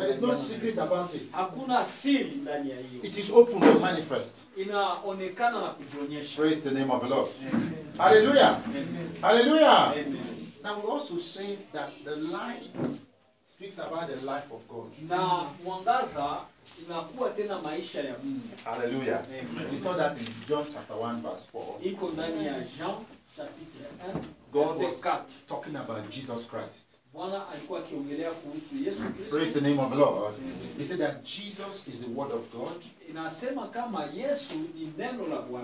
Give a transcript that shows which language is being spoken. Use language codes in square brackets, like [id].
[en] There is no secret about it. [sw] Hakuna siri ndani ya hiyo. [en] It is open to manifest. [sw] Inaonekana na kujionyesha. [en] Praise the name of the Lord. Amen. Hallelujah. Amen. Hallelujah. Amen. Now we also say that the light speaks about the life of God. [sw] Na mwangaza inakuwa tena maisha ya Mungu. [en] Hallelujah. Amen. We saw that in John chapter 1 verse 4. [sw] Iko ndani ya [fr] Jean chapitre [sw] 1. [en] God was talking about Jesus Christ. [sw] Bwana alikuwa akiongelea kuhusu Yesu Kristo. [en] Praise the name of the Lord. He said that Jesus is the word of God. [sw] Inasema kama Yesu ni neno la Bwana.